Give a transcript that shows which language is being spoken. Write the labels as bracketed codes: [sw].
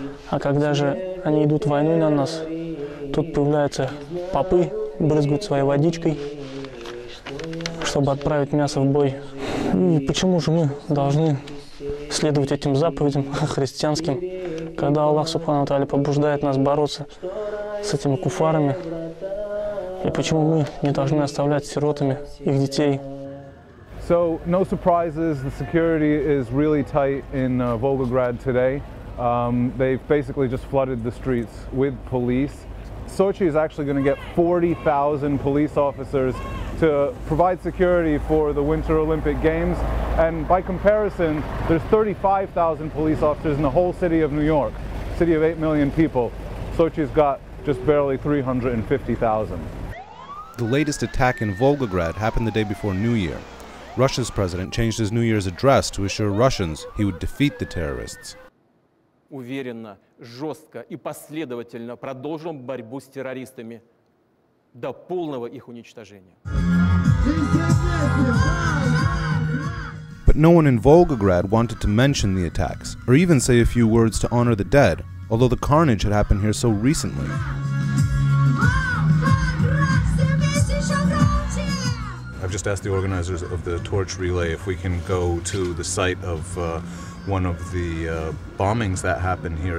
[ru] А когда же они идут войной на нас, тут появляются попы, брызгают своей водичкой, чтобы отправить мясо в бой. Ну и почему же мы должны следовать этим заповедям христианским, когда Аллах Субхану Тааля побуждает нас бороться с этими куфарами? И почему мы не должны оставлять сиротами их детей? [en] So, no surprises, the security is really tight in Volgograd today. They've basically just flooded the streets with police. Sochi is actually going to get 40,000 police officers to provide security for the Winter Olympic Games. And by comparison, there's 35,000 police officers in the whole city of New York, city of 8 million people. Sochi's got just barely 350,000. The latest attack in Volgograd happened the day before New Year. Russia's president changed his New Year's address to assure Russians he would defeat the terrorists. [ru] Уверенно, жестко и последовательно продолжим борьбу с террористами до полного их уничтожения. [en] But no one in Volgograd wanted to mention the attacks, or even say a few words to honor the dead, although the carnage had happened here so recently. I've just asked the organizers of the torch relay if we can go to the site of one of the bombings that happened here.